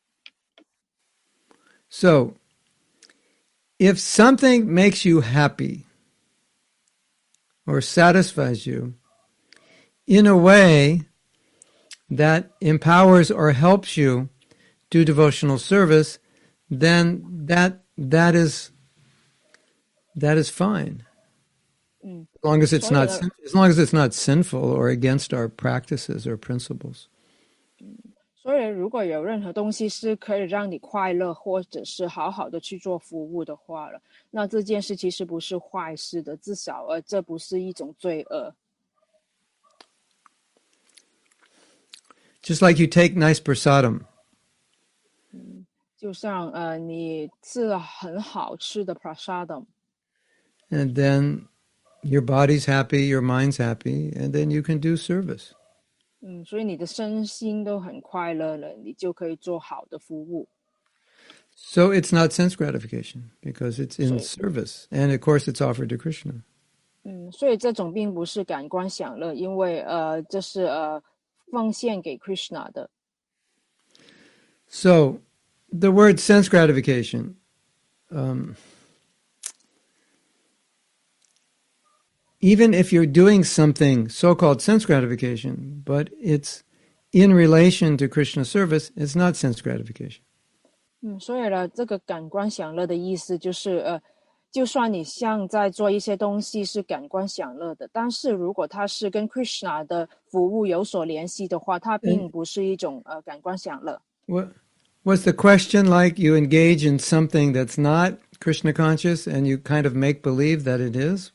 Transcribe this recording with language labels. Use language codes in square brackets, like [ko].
[zh] 当然了，我不是说我们任何东西都不需要，比如说我们需要有prasadam，有好的设施让我们继续去做关爱服务，但是这是另外一个话题。So, [en] if something makes you happy or satisfies you, in a way that empowers or helps you do devotional service, then that is fine. As long as it's not sinful or against our practices or principles. [zh] 所以如果有任何东西是可以让你快乐，或者是好好的去做服务的话了，那这件事其实不是坏事的，至少这不是一种罪恶。 [en] Just like you take nice prasadam. [zh] 就像你吃了很好吃的 prasadam. [en] And then your body's happy, your mind's happy, and then you can do service. [zh] 所以你的身心都很快乐了，你就可以做好的服务。 [en] So it's not sense gratification, because it's in service. And of course it's offered to Krishna. [zh] 所以这种并不是感官享乐，因为这是奉献给 Krishna 的。 [en] So, the word sense gratification, even if you're doing something so-called sense gratification, but in relation to Krishna service, it's not sense gratification. [zh] 所以呢，这个感官享乐的意思就是，就算你像在做一些东西是感官享乐的，但是如果它是跟Krishna的服务有所联系的话，它并不是一种感官享乐。Was [en] the question like you engage in something that's not Krishna conscious and you kind of make believe that it is?